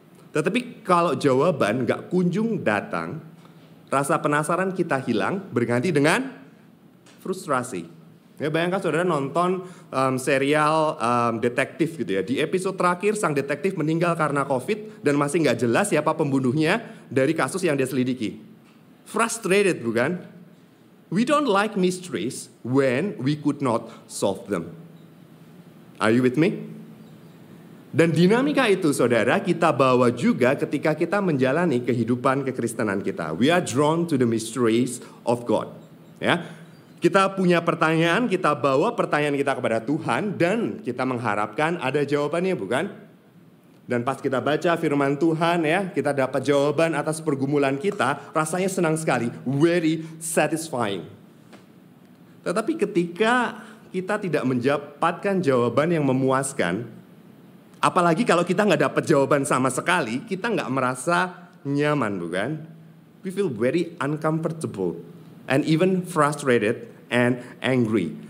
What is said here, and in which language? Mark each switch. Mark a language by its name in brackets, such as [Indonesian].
[Indonesian] Tetapi kalau jawaban nggak kunjung datang, rasa penasaran kita hilang berganti dengan frustrasi. Ya, bayangkan saudara nonton serial detektif gitu ya. Di episode terakhir sang detektif meninggal karena COVID dan masih gak jelas siapa pembunuhnya dari kasus yang dia selidiki. [English] Frustrated, bukan? We don't like mysteries when we could not solve them. Are you with me? [Indonesian] Dan dinamika itu saudara kita bawa juga ketika kita menjalani kehidupan kekristenan kita. [English] We are drawn to the mysteries of God. Ya. [Indonesian] Kita punya pertanyaan, kita bawa pertanyaan kita kepada Tuhan, dan kita mengharapkan ada jawabannya, bukan? Dan pas kita baca firman Tuhan, ya, kita dapat jawaban atas pergumulan kita, rasanya senang sekali, [English] very satisfying. [Indonesian] Tetapi ketika kita tidak mendapatkan jawaban yang memuaskan, apalagi kalau kita nggak dapat jawaban sama sekali, kita nggak merasa nyaman, bukan? [English] We feel very uncomfortable. And even frustrated and angry.